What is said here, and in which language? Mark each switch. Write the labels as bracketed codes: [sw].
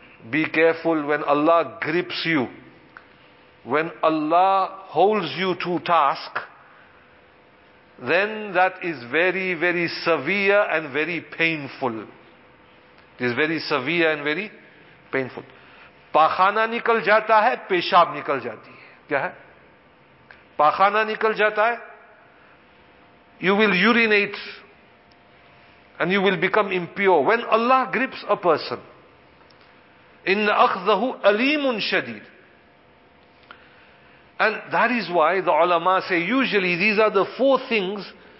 [en] Be careful when Allah grips you. When Allah holds you to task, then that is very, very severe and very painful. It is very severe and very painful. [ur] پاخانہ نکل جاتا ہے، پیشاب نکل جاتی ہے۔ کیا ہے؟ پاخانہ نکل جاتا ہے؟ [en] You will urinate and you will become impure. When Allah grips a person, [ar] إِنَّ أَخْذَهُ أَلِيمٌ شَدِيدٌ. [en] And that is why the ulama say, usually these are the four things